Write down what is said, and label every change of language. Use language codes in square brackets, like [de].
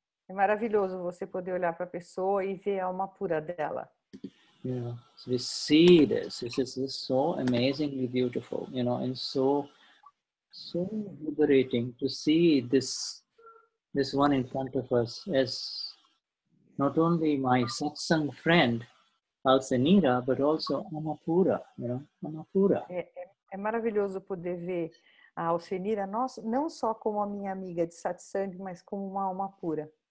[pt] É maravilhoso você poder olhar para a pessoa e ver a Amapura dela. [en] Yeah, so we see this. This is so amazingly beautiful, you know, and so... So liberating to see this, this one in front of us as not only my satsang friend, Alcenira, but also Amapura, you know, Amapura. [pt] É maravilhoso poder ver a Alcenira não só como a minha amiga de satsang, mas como uma alma pura.